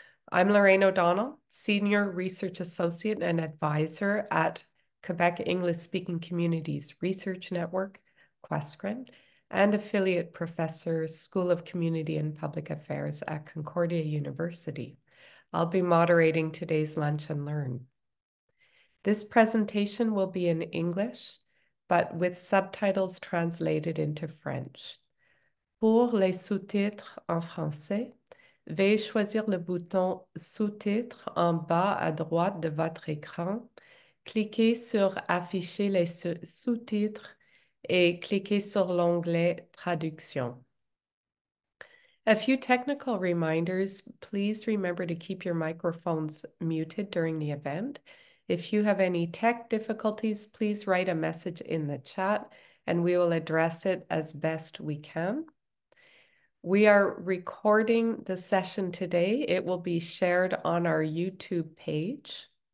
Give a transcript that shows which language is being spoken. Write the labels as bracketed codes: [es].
[en] I'm Lorraine O'Donnell, Senior Research Associate and Advisor at Quebec English-Speaking Communities Research Network, QUESCREN, and Affiliate Professor, School of Community and Public Affairs at Concordia University. I'll be moderating today's Lunch and Learn. This presentation will be in English, but with subtitles translated into French. [fr] Pour les sous-titres en français, veuillez choisir le bouton sous-titres en bas à droite de votre écran. Cliquez sur Afficher les sous-titres et cliquez sur l'onglet Traduction. [en] A few technical reminders. Please remember to keep your microphones muted during the event. If you have any tech difficulties, please write a message in the chat and we will address it as best we can. We are recording the session today. It will be shared on our YouTube page.